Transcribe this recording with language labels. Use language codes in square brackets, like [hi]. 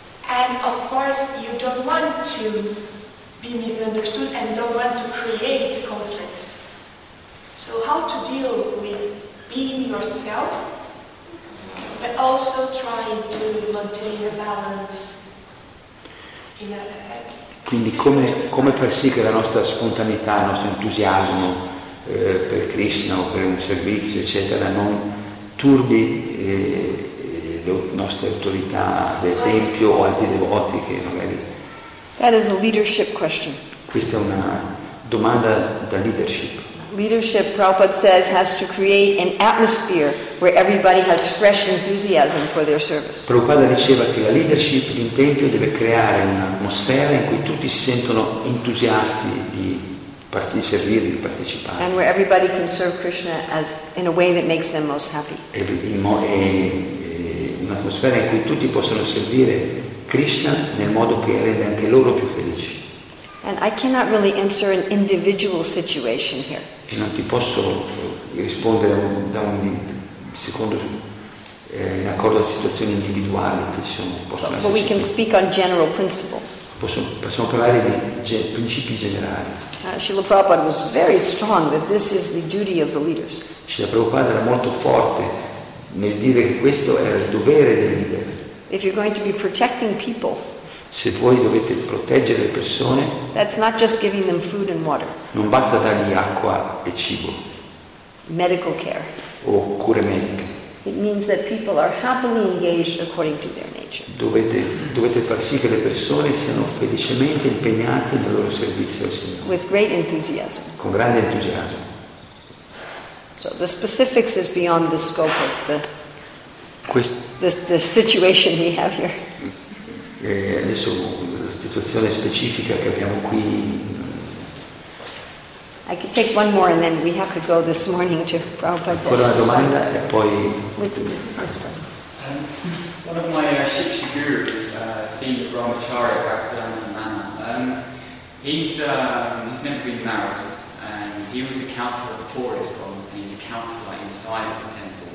[en] And of course you don't want to be misunderstood and don't want to create conflicts. So how to deal with being yourself? But also trying to maintain a balance in a [it] quindi come far sì che la nostra spontaneità, il nostro entusiasmo per Krishna o per un servizio, eccetera, non turbi le nostre autorità del tempio o altri devoti che magari. [en] That is a leadership question. [it] Questa è una domanda da leadership. [en] Leadership, Prabhupada says, has to create an atmosphere where everybody has fresh enthusiasm for their service. [it] Prabhupada diceva che la leadership di un tempio deve creare un'atmosfera in cui tutti si sentono entusiasti di servire, di partecipare. [en] And where everybody can serve Krishna as in a way that makes them most happy. [it] E un'atmosfera in cui tutti possono servire Krishna nel modo che rende anche loro più felici. [en] And I cannot really answer an individual situation here. [it] E non ti posso rispondere da un secondo in accordo alla situazione individuale che ci sono. [en] But we can speak on general principles. [it] Possiamo parlare di principi generali. [en] Srila Prabhupada was very strong that this is the duty of the leaders. [it] Srila Prabhupada era molto forte nel dire che questo era il dovere del leader. [en] If you're going to be protecting people, [it] se voi dovete proteggere le persone, [en] that's not just giving them food and water. [it] Non basta dargli acqua e cibo. [en] Medical care. [it] O cure mediche. [en] It means that people are happily engaged according to their nature. [it] Dovete far sì che le persone siano felicemente impegnate nel loro servizio al Signore. [en] With great enthusiasm. [it] Con grande entusiasmo. [en] So the specifics is beyond the scope of the situation we have here. [it] E adesso la situazione specifica che abbiamo qui. [en] I could take one more and then we have to go this morning to Prabhupada. [it] Ancora una domanda e poi. [en] One of my Shiksha gurus is Srila Brahmacharya Bhaktivedanta Manna. He's never been married and he was a counselor at the forest and he's a counselor inside the temple.